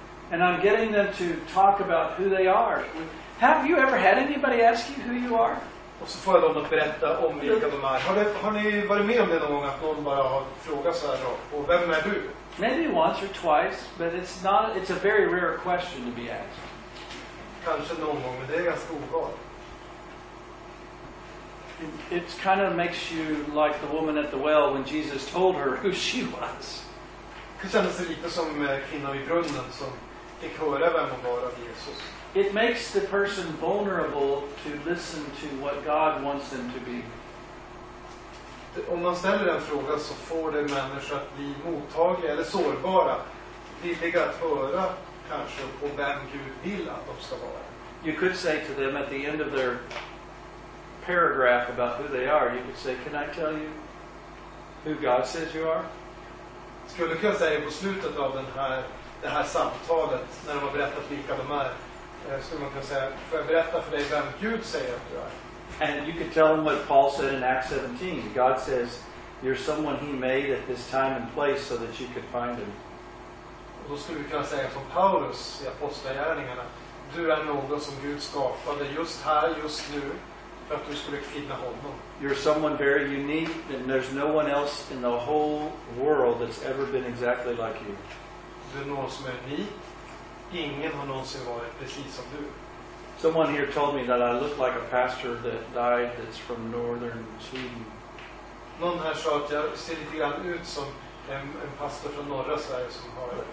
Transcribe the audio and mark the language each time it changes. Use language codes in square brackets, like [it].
[en] And I'm getting them to talk about who they are. Have you ever had anybody ask you who you are? [sv] Och så får jag dem att berätta om vilka de är. Har ni varit med om det någon gång att någon bara har frågat så här då? Och vem är du? [en] Maybe once or twice, but it's a very rare question to be asked. [sv] Kanske någon gång, men det är ganska ovanligt. [en] It kind of makes you like the woman at the well when Jesus told her who she was. [sv] Det känns lite som kvinnan vid brunnen som fick höra vem hon var av Jesus. [en] It makes the person vulnerable to listen to what God wants them to be. [sv] Om man ställer den frågan så får det människor att bli mottagliga eller sårbara, villiga att höra kanske på vem Gud vill att de ska vara. [en] You could say to them at the end of their paragraph about who they are, you could say, "Can I tell you who God says you are?" [sv] Skulle kunna säga på slutet av det här samtalet när de har berättat vilka de är. Skulle man kunna säga, får jag berätta för dig vem Gud säger att du är? [en] And you could tell them what Paul said in Acts 17. God says, you're someone he made at this time and place so that you could find him. [sv] Och då skulle vi kunna säga som Paulus i Apostlagärningarna. Du är någon som Gud skapade just här, just nu, för att du skulle finna honom. [en] You're someone very unique and there's no one else in the whole world that's ever been exactly like you. [sv] Du är någon som är unik. Ingen har någonsin varit precis som du. [en] Someone here told me that I look like a pastor that died that's from northern Sweden. [sv] Någon här sa att jag ser lite grann ut som en pastor från norra Sverige som har...